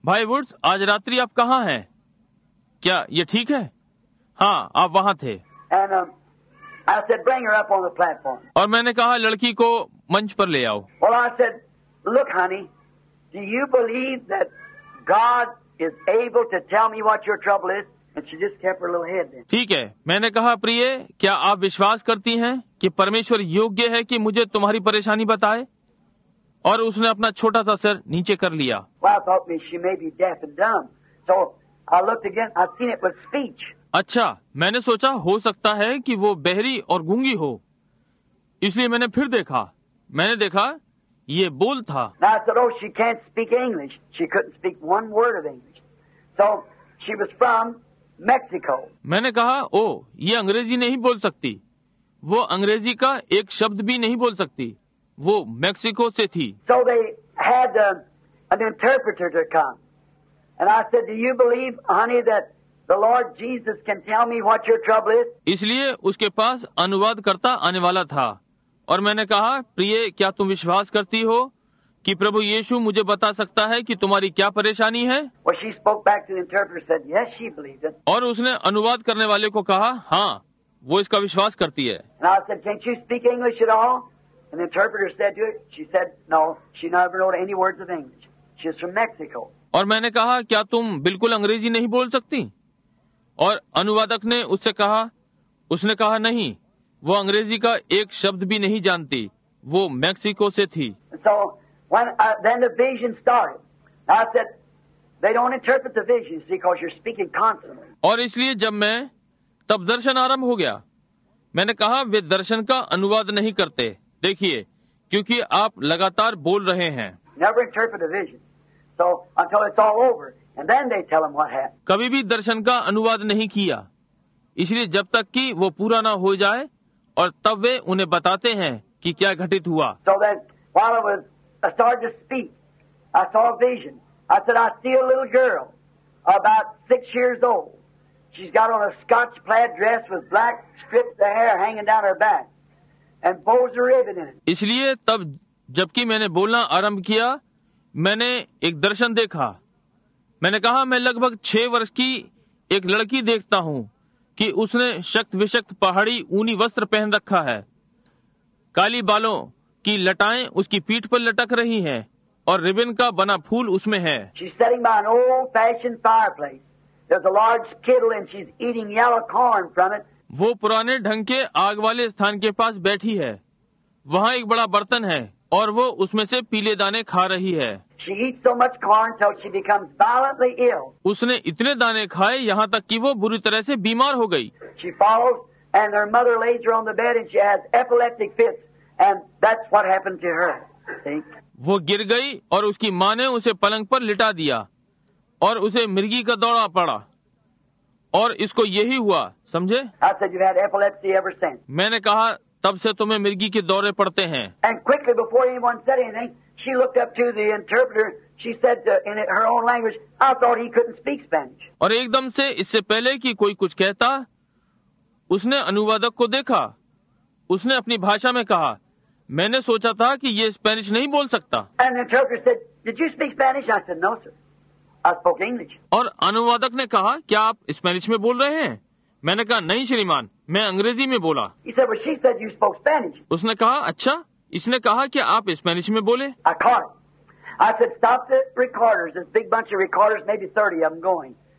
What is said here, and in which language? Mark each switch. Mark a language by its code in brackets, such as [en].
[hi] भाई वुड्स, आज रात्रि आप कहाँ हैं? क्या ये ठीक है? हाँ, आप वहाँ थे। [en] And, I said, bring her up on the platform. [hi] और मैंने कहा लड़की को मंच पर ले आओ। [en] Well, I said, look, honey, do you believe that God is able to tell me what your trouble is? And she just kept her little head then. [hi] ठीक है, मैंने कहा प्रिय क्या आप विश्वास करती हैं कि परमेश्वर योग्य है कि मुझे तुम्हारी परेशानी बताए, और उसने अपना छोटा सा सिर नीचे कर लिया। [en] Well, I thought maybe she may be deaf and dumb. So I looked again, I seen it was speech. [hi] अच्छा, मैंने सोचा हो सकता है कि वो बहरी और गूंगी हो, इसलिए मैंने फिर देखा, मैंने देखा ये बोल था। [en] Now I said, oh, she can't speak English. She couldn't speak one word of English. So she was from Mexico. [hi] मैंने कहा, ओ, ये अंग्रेजी नहीं बोल सकती। वो अंग्रेजी का एक शब्द भी नहीं बोल सकती। वो मेक्सिको से थी। [en] So they had an interpreter to come. And I said, do you believe, honey, that the Lord Jesus can tell me what your trouble is? [hi] इसलिए उसके पास अनुवादकर्ता आने वाला था। और मैंने कहा, प्रिय, क्या तुम विश्वास करती हो कि प्रभु यीशु मुझे बता सकता है कि तुम्हारी क्या परेशानी है? [en] Well, she spoke back to the interpreter, said, yes, she believes it. [hi] और उसने अनुवाद करने वाले को कहा, हाँ, वो इसका विश्वास करती है। [en] And I said, can't you speak English at all? And the interpreter said, she said, no, she never wrote any words of English. She's from Mexico. [hi] और मैंने कहा, क्या तुम बिल्कुल अंग्रेजी नहीं बोल सकती? और अनुवादक ने उससे कहा, उसने कहा, नहीं, वो अंग्रेजी का एक शब्द भी नहीं जानती, वो मेक्सिको से थी। [en] So, when, then the vision started. I said, they don't interpret the vision because you're speaking constantly. [hi] और इसलिए जब मैं, तब दर्शन आरंभ हो गया। मैंने कहा, वे दर्शन का अनुवाद नहीं करते, देखिए, क्योंकि आप लगातार बोल रहे हैं। [en] Never interpret the vision. So, until it's all over. And then they tell him what happened. [hi] कभी भी दर्शन का अनुवाद नहीं किया, इसलिए जब तक कि वो पूरा ना हो जाए और तब वे उन्हें बताते हैं कि क्या घटित हुआ। [en] So that while I started to speak, I saw a vision. I said, I see a little girl about 6 years old. She's got on a Scotch plaid dress with black strips of hair hanging down her back and bows a ribbon in it. [hi] इसलिए तब जबकि मैंने बोलना आरंभ किया, मैंने एक दर्शन देखा। मैंने कहा, मैं लगभग 6 वर्ष की एक लड़की देखता हूँ कि उसने शक्त विशक्त पहाड़ी ऊनी वस्त्र पहन रखा है, काली बालों की लटाएं उसकी पीठ पर लटक रही हैं और रिबन का बना फूल उसमें है। [en] She's sitting by an old-fashioned fireplace. There's a large kettle and she's eating yellow corn from it. [hi] वो पुराने ढंग के आग वाले स्थान के पास बैठी है, वहाँ एक बड़ा बर्तन है और वो उसमें से पीले दाने खा रही है। [en] She eats so much corn till she becomes violently ill. [hi] उसने इतने दाने खाए यहाँ तक कि वो बुरी तरह से बीमार हो गई। [en] She falls and her mother lays her on the bed and she has epileptic fits and that's what happened to her. [hi] वो गिर गई और उसकी माँ ने उसे पलंग पर लिटा दिया और उसे मिर्गी का दौरा पड़ा और इसको यही हुआ, समझे? [en] I said, you've had epilepsy ever since. [hi] मैंने कहा, तब से तुम्हें मिर्गी के दौरे पड़ते हैं। [en] And quickly before anyone said anything, she looked up to the interpreter. She said in her own language, I thought he couldn't speak Spanish. [hi] और एकदम से इससे पहले कि कोई कुछ कहता, उसने अनुवादक को देखा। उसने अपनी भाषा में कहा, मैंने सोचा था कि ये स्पेनिश नहीं बोल सकता। [en] And the interpreter said, did you speak Spanish? I said, no, sir. I spoke English. [hi] और अनुवादक ने कहा, क्या आप स्पेनिश में बोल रहे हैं? मैंने कहा, नहीं श्रीमान, मैं अंग्रेजी में बोला। [en] He said, well, she said you spoke Spanish. [hi] उसने कहा, अच्छा, इसने कहा कि आप स्पेनिश में बोले? [en] I caught it. I said, stop the recorders. This big bunch of recorders, maybe 30 of them going.